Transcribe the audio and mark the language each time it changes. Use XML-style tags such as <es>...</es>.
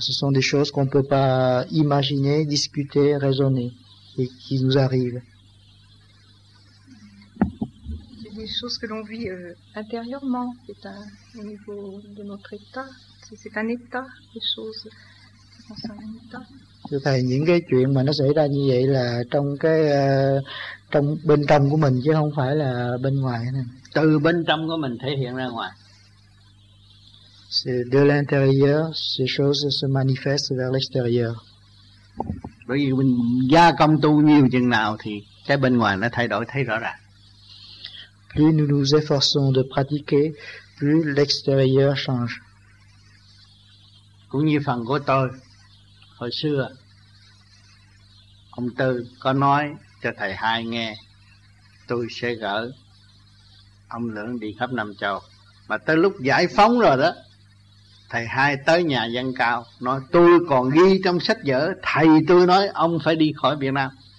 <fr>Ce sont des choses qu'on ne peut pas imaginer, discuter, raisonner, et qui nous arrivent. C'est des choses que l'on vit intérieurement, c'est au niveau de notre état, c'est un état des choses.</fr> <vi>Thưa thầy, những cái chuyện mà nó xảy ra như vậy là trong cái trong bên trong của mình chứ không phải là bên ngoài này. Từ bên trong của mình thể hiện ra ngoài.</vi> <fr>C'est de l'intérieur, ces choses se manifestent vers l'extérieur.</fr> <vi>Bởi vì mình gia công tu nhiều chừng nào thì cái bên ngoài nó thay đổi thấy rõ ràng.</vi> <fr>Plus nous nous efforçons de pratiquer, plus l'extérieur change.</fr> <vi>Cũng như phần của tôi, hồi xưa, ông Tư có nói cho thầy Hai nghe, tôi sẽ gỡ ông Lượng đi khắp Nam Châu. Mà tới lúc giải phóng rồi đó, thầy Hai tới nhà Văn Cao, nói tôi còn ghi trong sách vở, thầy tôi nói ông phải đi khỏi Việt Nam.</vi>